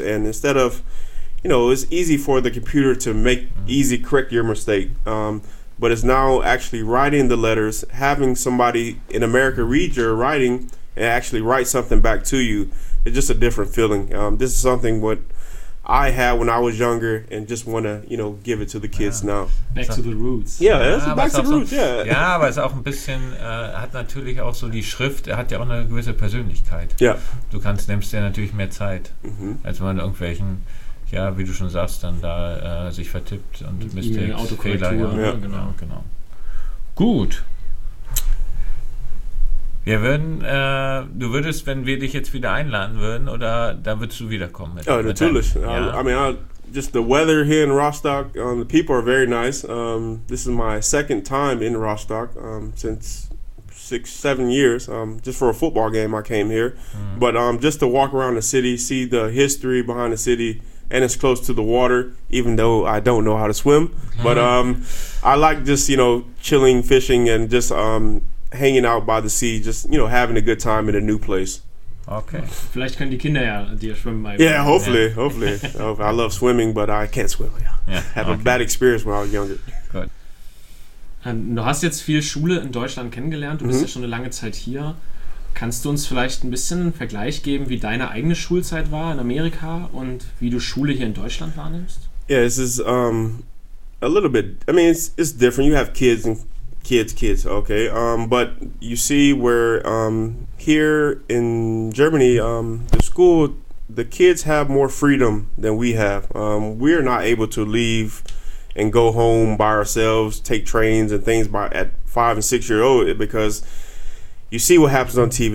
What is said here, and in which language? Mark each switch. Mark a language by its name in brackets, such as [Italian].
[English] And instead of, you know, it's easy for the computer to make easy correct your mistake, but it's now actually writing the letters, having somebody in America read your writing and actually write something back to you. It's just a different feeling. This is something what I had when I was younger and just want to, you know, give it to the kids now. Back to the roots. Yeah, that's back to the roots, yeah. [German] Ja, aber es auch ein bisschen, hat natürlich auch so die Schrift, hat ja auch eine gewisse Persönlichkeit. [English] Yeah. [German] Du kannst, nimmst ja natürlich mehr Zeit, als wenn man irgendwelchen, ja, wie du schon sagst, dann da sich vertippt und [English] Mistakes, [German] Fehler, genau. Gut. Wir würden, du würdest, wenn wir dich jetzt wieder einladen würden, oder da würdest du wiederkommen? Ja, natürlich. [English] I mean, just the weather here in Rostock, the people are very nice. This is my second time in Rostock since 6-7 years, just for a football game I came here. But just to walk around the city, see the history behind the city, and it's close to the water, even though I don't know how to swim. But I like just, you know, chilling, fishing, and just hanging out by the sea, just, you know, having a good time in a new place. Okay. [German] Vielleicht können die Kinder ja dir schwimmen beibringen. [English] Yeah, hopefully, hopefully. I love swimming, but I can't swim. Have a bad experience when I was younger. Good. [German] Du hast jetzt viel Schule in Deutschland kennengelernt. Du bist ja schon eine lange Zeit hier. Kannst du uns vielleicht ein bisschen einen Vergleich geben, wie deine eigene Schulzeit war in Amerika und wie du Schule hier in Deutschland wahrnimmst? [English] Yeah, this is a little bit, I mean, it's different. You have kids and kids, okay? But you see where here in Germany, the school, the kids have more freedom than we have. We are not able to leave and go home by ourselves, take trains and things by at 5 and 6 years old, because you see what happens on TV.